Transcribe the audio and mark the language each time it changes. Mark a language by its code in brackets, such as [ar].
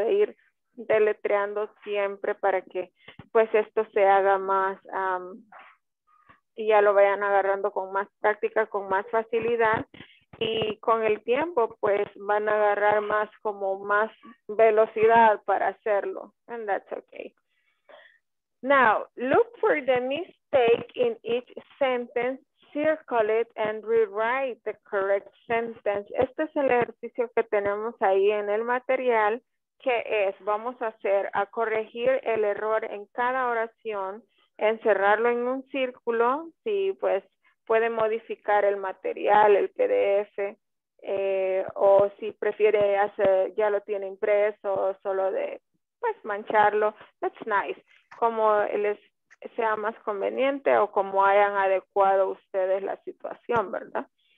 [es] De ir deletreando siempre para que pues esto se haga más... y ya lo vayan agarrando con más práctica, con más facilidad. Y con el tiempo, pues, van a agarrar más, como más velocidad para hacerlo. [en] And that's okay. Now, look for the mistake in each sentence, circle it, and rewrite the correct sentence. [es] Este es el ejercicio que tenemos ahí en el material, que es, vamos a hacer, a corregir el error en cada oración, encerrarlo en un círculo, si pues puede modificar el material, el PDF, o si prefiere hacer, ya lo tiene impreso, solo de pues mancharlo, [en] that's nice, [es] como les sea más conveniente o como hayan adecuado ustedes la situación, ¿verdad?